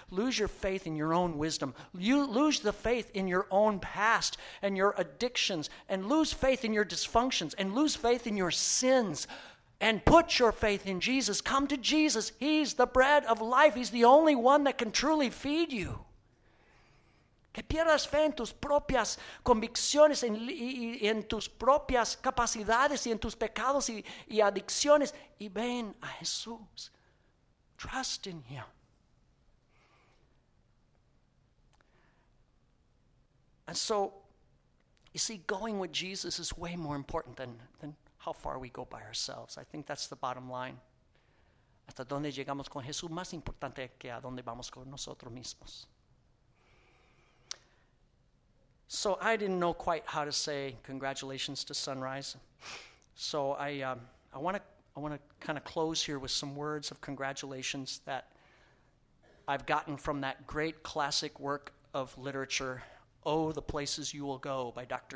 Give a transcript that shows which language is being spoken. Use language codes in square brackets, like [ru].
[en] Lose your faith in your own wisdom. Lose the faith in your own past and your addictions. And lose faith in your dysfunctions. And lose faith in your sins. And put your faith in Jesus. Come to Jesus. He's the bread of life. He's the only one that can truly feed you. [es] Que pierdas fe en tus propias convicciones y en tus propias capacidades y en tus pecados y adicciones. Y ven a Jesús. [en] Trust in him. And so, you see, going with Jesus is way more important than how far we go by ourselves. I think that's the bottom line. [es] Hasta donde llegamos con Jesús, más importante que a donde vamos con nosotros mismos. [en] So I didn't know quite how to say congratulations to Sunrise. So I want to kind of close here with some words of congratulations that I've gotten from that great classic work of literature, Oh, the Places You Will Go by Dr.